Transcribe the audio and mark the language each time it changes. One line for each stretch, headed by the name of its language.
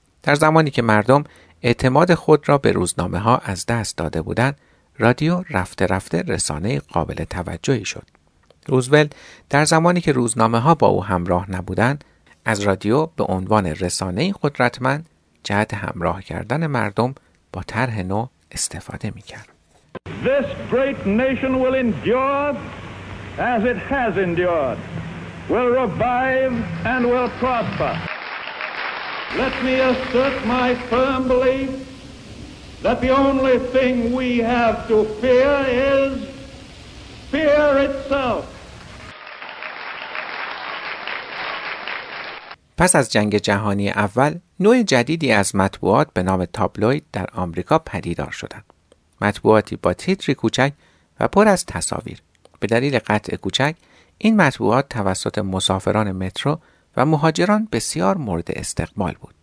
Persian: در زمانی که مردم اعتماد خود را به روزنامه‌ها از دست داده بودند، رادیو رفته رفته رسانه قابل توجهی شد. روزولت در زمانی که روزنامه‌ها با او همراه نبودند، از رادیو به عنوان رسانه قدرتمند جهت همراه کردن مردم با طرح نو استفاده می‌کرد.
English: This great nation will endure as it has endured. Will revive and will prosper. Let me assert my firm belief that the only thing we have to fear is fear itself.
Persian: پس از جنگ جهانی اول، نوع جدیدی از مطبوعات به نام تابلوید در آمریکا پدیدار شدند. مطبوعاتی با تیتری کوچک و پر از تصاویر. به دلیل قطع کوچک، این مطبوعات توسط مسافران مترو و مهاجران بسیار مورد استقبال بود.